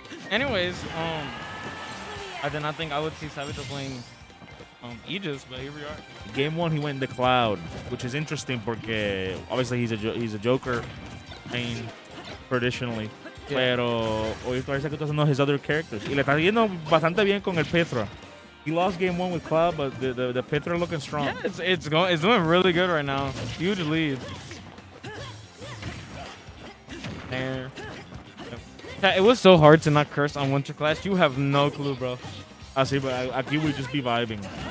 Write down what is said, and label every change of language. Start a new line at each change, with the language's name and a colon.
English: Anyways, I did not think I would see Sabito playing Aegis, but here we are. Game one, he went in the cloud, which is interesting because obviously he's a Joker, main traditionally.
Spanish: Yeah. Pero hoy parece que está haciendo
English: his other characters.
Spanish: Y le está yendo bastante bien con el Pyra.
English: He lost game one with cloud, but the Pyra looking strong. Yeah, it's doing really good right now. Huge lead. There. Yeah. It was so hard to not curse on Winter Clash. You have no clue, bro.
Spanish: Así,
English: but
Spanish: aquí
English: we just be vibing.